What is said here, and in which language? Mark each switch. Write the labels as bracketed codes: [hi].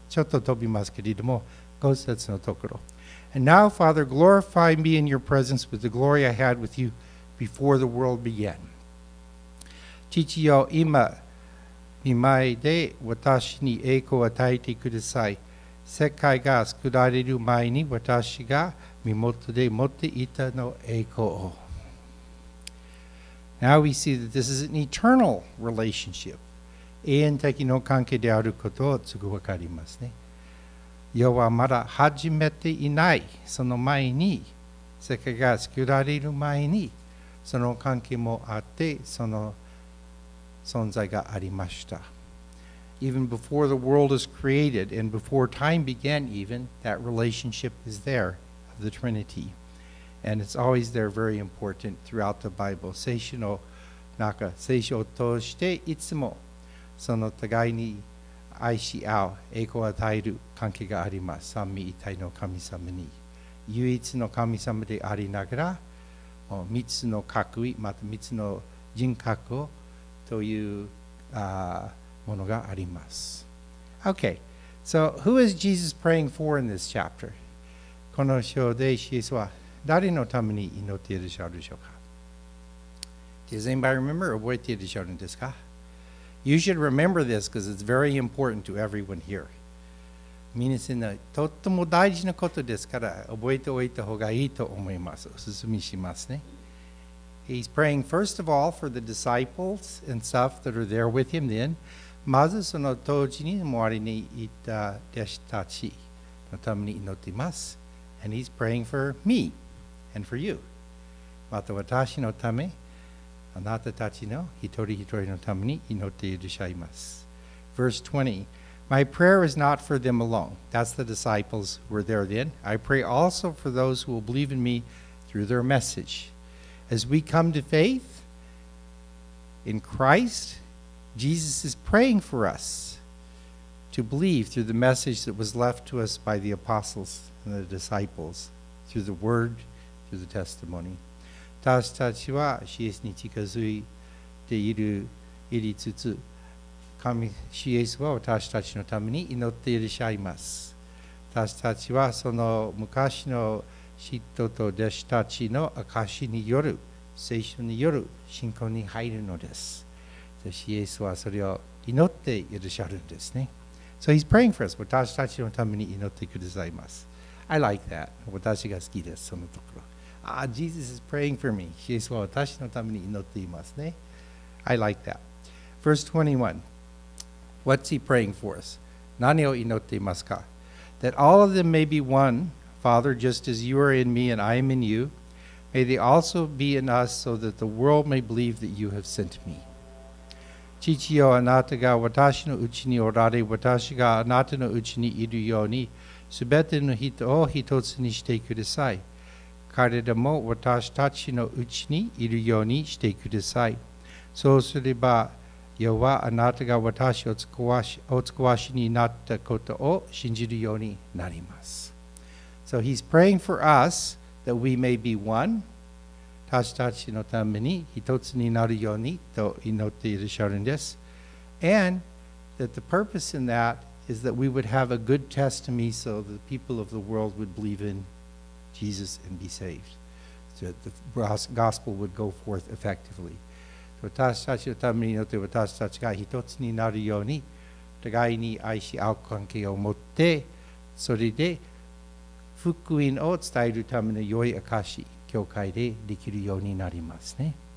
[ja] ちょっと飛びますけれども、五節のところ。 [en] And now, Father, glorify me in your presence with the glory I had with you before the world began. [ja] 父よ、今、御前で私に栄光を与えてください。世界が作られる前に私が身元で持っていたの栄光を。 [en] Now we see that this is an eternal relationship. [ja] 永遠的の関係であることをすぐ分かりますね。世はまだ始めていない。その前に、世界が作られる前に、その関係もあって、その存在がありました。 [en] Even before the world is created, and before time began even, that relationship is there, the Trinity. And it's always there, very important throughout the Bible. [ja] 聖書の中、聖書を通していつもその互いに愛し合う、栄光を与える関係があります。三位一体の神様に。唯一の神様でありながら、三つの格位、また三つの人格をというものがあります。 [en] Okay, so who is Jesus praying for in this chapter? [ja] この章でイエスは誰のために祈っているでしょうか。 [en] Does anybody remember? [ja] 覚えているでしょうか。 [en] You should remember this because it's very important to everyone here. [ja] みなさんのとっても大事なことですから覚えておいた方がいいと思います。おすすめしますね。 [en] He's praying first of all for the disciples and stuff that are there with him then. [ja] まずその当時に周りにいた弟子たちのために祈っています。 [en] And he's praying for me and for you. [ja] また私のため、あなたたちの一人一人のために祈っていらっしゃいます。 [en] Verse 20, my prayer is not for them alone. That's the disciples who were there then. I pray also for those who will believe in me through their message. As we come to faith in Christ, Jesus is praying for us to believe through the message that was left to us by the apostles. And the disciples through the word, through the testimony. [ja] 私たちはイエスに近づいている入りつつ、神、イエスは私たちのために祈っていらっしゃいます。私たちはその昔の使徒と弟子たちの証による聖書による信仰に入るのです。イエスはそれを祈っていらっしゃるんですね。 [en] So he's praying for us. [ja] 私たちのために祈ってくださいます。 [en] I like that. [ja] 私が好きです、そのところ。 [en] Ah, Jesus is praying for me. [ja] イエスは私のために祈っていますね。 [en] I like that. Verse 21. What's he praying for us? [ja] 何を祈っていますか? [en] That all of them may be one, Father, just as you are in me and I am in you. May they also be in us so that the world may believe that you have sent me. [ja] 父よ、あなたが私のうちにおられ、私があなたのうちにいるように、すべての人を一つにしてください。彼らも私たちのうちにいるようにしてください。そうすれば、世はあなたが私を使わしになったことを信じるようになります。 [en] So he's praying for us that we may be one. [ja] 私たちのために一つになるようにと祈っていらっしゃるんです。 [en] And that the purpose in that is that we would have a good testimony so the people of the world would believe in Jesus and be saved. So that the gospel would go forth effectively. [ja] 私たちのために祈って私たちが一つになるように互いに愛し合う関係を持ってそれで福音を伝えるための良い証し教会でできるようになりますね。